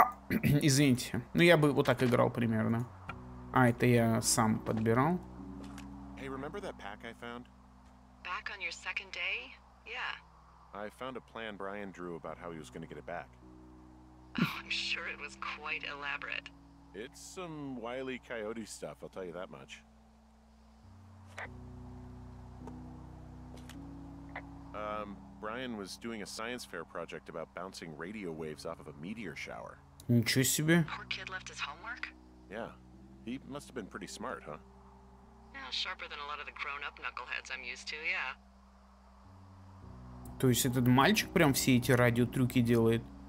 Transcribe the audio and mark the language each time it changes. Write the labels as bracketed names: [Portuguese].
[Russian] Извините. Ну, я бы вот так играл примерно. А, это я сам подбирал. [English] Hey, remember that pack I found? Back on your second day? Yeah. I found a plan Brian drew about how he was gonna get it back. Oh, I'm sure it was quite elaborate. It's some Wile E. Coyote stuff, I'll tell you that much. Brian was doing a science fair project about bouncing radio waves off of a meteor shower. [Russian] Ничего себе. [English] Poor kid left his homework? Yeah. He must have been pretty smart, huh? Yeah, sharper than a lot of the grown-up knuckleheads I'm used to, yeah. [Russian] То есть этот мальчик прям все эти радиотрюки делает?